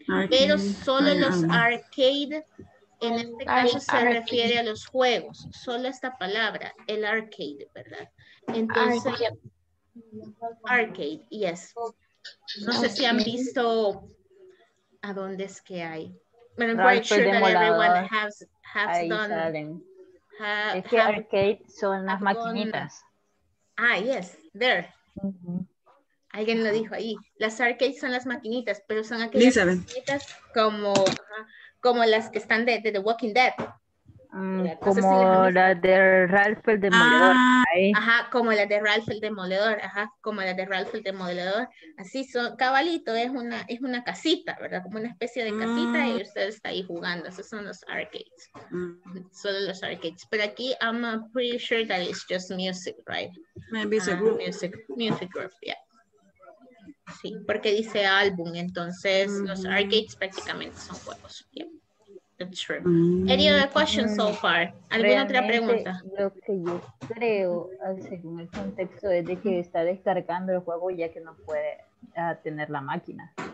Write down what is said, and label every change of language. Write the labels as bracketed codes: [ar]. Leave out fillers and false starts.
[es] Pero solo los arcade, en este caso se refiere a los juegos, solo esta palabra, el arcade, ¿verdad? Entonces, arcade, [en] yes. [es] No sé si han visto a dónde es que hay. [en] But I'm quite sure that everyone has done. [es] Es que arcade son las maquinitas. [en] Ah, yes, there. [es] Mm-hmm. Alguien lo dijo ahí. Las arcades son las maquinitas, pero son aquellas maquinitas como las que están de The Walking Dead. Como la de Ralph el Demoledor. Ajá, como la de Ralph el Demoledor. Ajá, como la de Ralph el Demoledor. Así son, cabalito, es una casita, ¿verdad? Como una especie de casita y usted está ahí jugando. Esos son los arcades. Solo los arcades. Pero aquí, [en] I'm pretty sure that it's just music, right? Maybe it's a group. Music group, yeah. [es] Sí, porque dice álbum, entonces los arcades prácticamente son juegos, [en] yeah. That's true. Any other questions so far? [es] ¿Alguna otra pregunta? Lo que yo creo, según el contexto, es de que está descargando el juego ya que no puede tener la máquina.